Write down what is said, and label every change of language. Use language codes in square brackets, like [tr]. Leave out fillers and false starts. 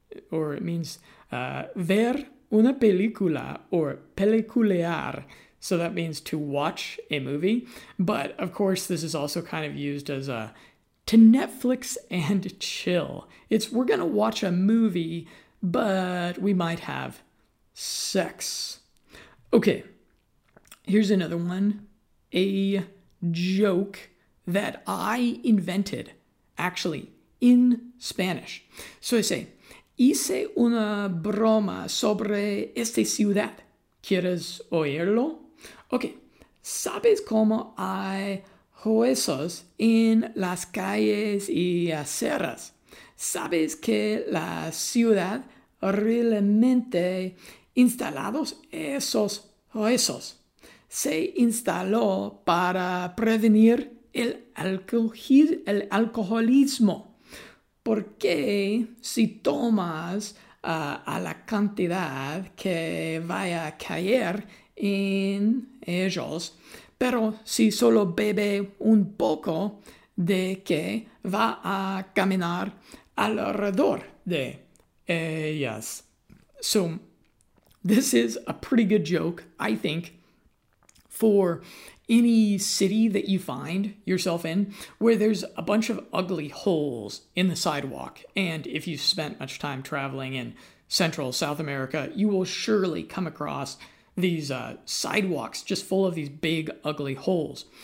[en] Or it means [es] ver una película [en] or peliculear. So that means to watch a movie. But of course, this is also kind of used as a to Netflix and chill. It's we're going to watch a movie, but we might have sex. Okay, here's another one. A joke that I invented, actually, in Spanish. So I say, [es] hice una broma sobre esta ciudad. ¿Quieres oírlo? Okay, ¿sabes cómo hay huesos en las calles y aceras? ¿Sabes que la ciudad realmente instalados esos huesos? Se instaló para prevenir el alcoholismo. Porque si tomas a la cantidad que vaya a caer en ellos, pero si solo bebe un poco de que va a caminar alrededor de ellas. [en] So, this is a pretty good joke, I think, for any city that you find yourself in where there's a bunch of ugly holes in the sidewalk. And if you spent much time traveling in Central South America, you will surely come across these sidewalks just full of these big ugly holes.